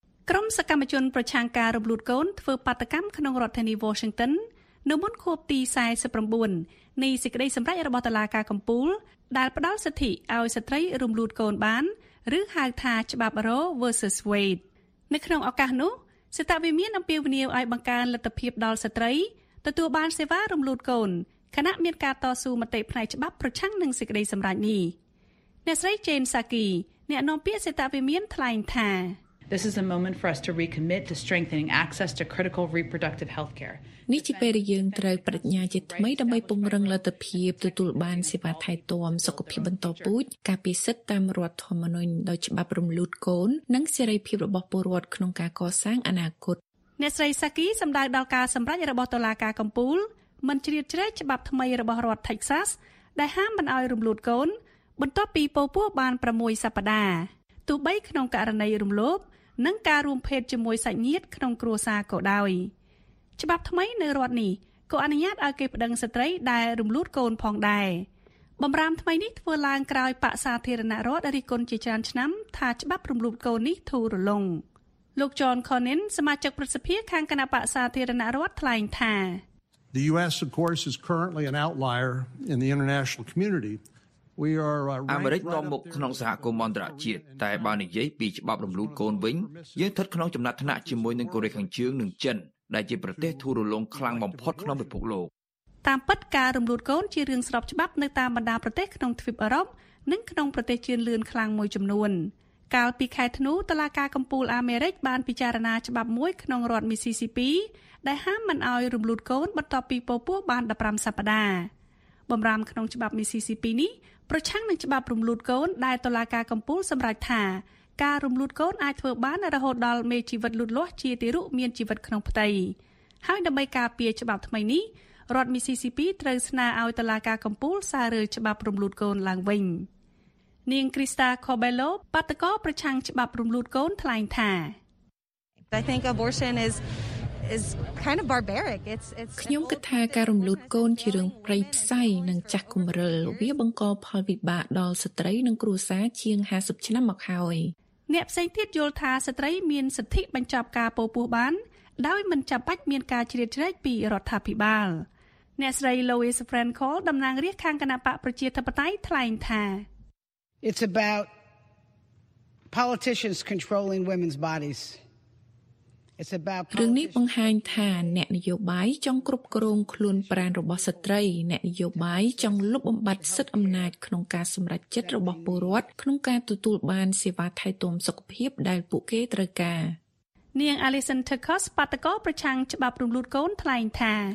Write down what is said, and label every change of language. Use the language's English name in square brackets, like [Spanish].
[Khmer] ក្រុមសកម្មជនប្រឆាំងការរំលូតកូនធ្វើបាតកម្មក្នុងរដ្ឋធានី Washington នៅមុនខួបទី49នៃសេចក្តីសម្រេចរបស់តុលាការកំពូលដែលផ្ដល់សិទ្ធិឲ្យស្ត្រីរំលូតកូនបានឬហៅថាច្បាប់ Roe versus Wade នៅក្នុងឱកាសនោះស្ថាបវិមានអំពាវនាវឲ្យបង្កើនលទ្ធភាពដល់ស្ត្រីទទួលបានសេវារំលូតកូនខណៈមានការតស៊ូមតិផ្នែកច្បាប់ប្រឆាំងនឹងសេចក្តីសម្រេចនេះអ្នកស្រី Jane Saki អ្នកនាំពាក្យស្ថាបវិមានថ្លែងថា [English] This is a moment for us to recommit to strengthening access to critical reproductive health care. [Khmer] នេះជាពេលដែលយើងត្រូវប្រាជ្ញាជាថ្មីដើម្បីពង្រឹងលទ្ធភាពទទួលបានសេវាថែទាំសុខភាពបន្តពូជការពិសិដ្ឋតាមរដ្ឋធម្មនុញ្ញដោយច្បាប់រំលូតកូននិងសេរីភាពរបស់ពលរដ្ឋក្នុងការកសាងអនាគត អ្នកស្រីសាគីសម្ដៅដល់ការសម្រេចរបស់តុលាការកំពូលមិនជ្រៀតជ្រែកច្បាប់ថ្មីរបស់រដ្ឋ Texas ដែលហាមមិនអោយរំលូតកូនបន្ទាប់ពីពពោះបាន6សប្តាហ៍ទោះបីក្នុងករណីរំលោភនិងការរួមភេទជាមួយសាច់ញាតិក្នុងគ្រួសារក៏ដោយ ច្បាប់ថ្មីនៅរដ្ឋនេះក៏អនុញ្ញាតឲ្យគេប្តឹងស្ត្រីដែលរំលូតកូនផងដែរបំរាមថ្មីនេះធ្វើឡើងក្រោយបកសាធារណរដ្ឋរិះគន់ជាច្រើនឆ្នាំថាច្បាប់រំលូតកូននេះធូររលុងលោក John Cornyn សមាជិកប្រសិទ្ធិខាងគណៈបកសាធារណរដ្ឋថ្លែងថា [English] The US of course is currently an outlier in the international community We are [Khmer] អាមេរិកនាំមុខក្នុងសហគមន៍អន្តរជាតិតែបើនិយាយពីច្បាប់រំលូតកូនវិញយើងស្ថិតក្នុងចំណាត់ថ្នាក់ជាមួយនឹងកូរ៉េខាងជើងនិងចិនដែលជាប្រទេសធូររលុងខ្លាំងបំផុតក្នុងពិភពលោក តាមពិតការរំលូតកូនជារឿងស្របច្បាប់នៅតាមបណ្ដាប្រទេសក្នុងទ្វីបអឺរ៉ុបនិងក្នុងប្រទេសជឿនលឿនខ្លាំងមួយចំនួនកាលពីខែធ្នូតុលាការកំពូលអាមេរិកបានពិចារណាច្បាប់មួយក្នុងរដ្ឋមីស៊ីស៊ីពីដែលហាមមិនអោយរំលូតកូនបន្ទាប់ពីពពោះបាន15សប្តាហ៍បំរាមក្នុងច្បាប់មីស៊ីស៊ីពីនេះប្រឆាំងនឹងច្បាប់រំលូតកូនដែលតុលាការកំពូលសម្រេចថាការរំលូតកូនអាចធ្វើបានរហូតដល់មេជីវិតលូតលាស់ជាទារកមានជីវិតក្នុងផ្ទៃ ហើយដើម្បីការពារច្បាប់ថ្មីនេះរដ្ឋមីស៊ីស៊ីពីត្រូវស្នើឲ្យតុលាការកំពូលសាររើច្បាប់រំលូតកូនឡើងវិញនាងគ្រីស្តាខូបេឡូបាតកោប្រឆាំងច្បាប់រំលូតកូនថ្លែងថា [English] I think abortion is kind of barbaric it's [Khmer] ខ្ញុំគិតថាការរំលូតកូនជារឿងប្រៃផ្សៃនិងចាស់គំរឹលវាបង្កផលវិបាកដល់ស្ត្រីនិងគ្រួសារជាង50ឆ្នាំមកហើយ អ្នកផ្សេងទៀតយល់ថាស្ត្រីមានសិទ្ធិបញ្ចប់ការពោះបានដោយមិនចាំបាច់មានការជ្រៀតជ្រែកពីរដ្ឋាភិបាលអ្នកស្រី Louis Frankel តំណាងរាស្ត្រខាងគណបកប្រជាធិបតេយ្យថ្លែងថា [English] It's about politicians controlling women's bodies It's about [Khmer] រឿងនេះបង្ហាញថាអ្នកនយោបាយចង់គ្រប់គ្រងខ្លួនប្រាណរបស់ស្ត្រីអ្នកនយោបាយចង់លុបបំបាត់សិទ្ធិអំណាចក្នុងការសម្រេចចិត្តរបស់ពលរដ្ឋក្នុងការទទួលបានសេវាថែទាំសុខភាពដែលពួកគេត្រូវការ នាង Alison Tukos បាតកោប្រឆាំងច្បាប់រំលូតកូនថ្លែងថា